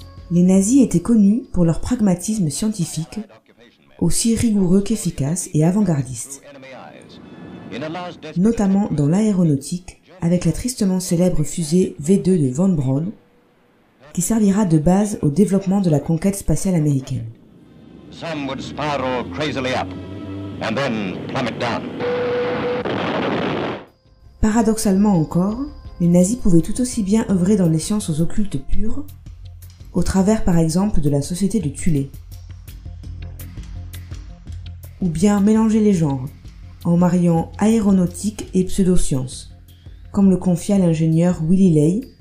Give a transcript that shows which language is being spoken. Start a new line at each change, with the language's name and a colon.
French: Les nazis étaient connus pour leur pragmatisme scientifique, aussi rigoureux qu'efficace et avant-gardiste, notamment dans l'aéronautique avec la tristement célèbre fusée V2 de von Braun, qui servira de base au développement de la conquête spatiale américaine.
English: Some would spiral crazily up and then plummet down.
French: Paradoxalement encore, les nazis pouvaient tout aussi bien œuvrer dans les sciences aux occultes pures, au travers par exemple de la société de Thulé, ou bien mélanger les genres, en mariant aéronautique et pseudo-science, comme le confia l'ingénieur Willy Ley.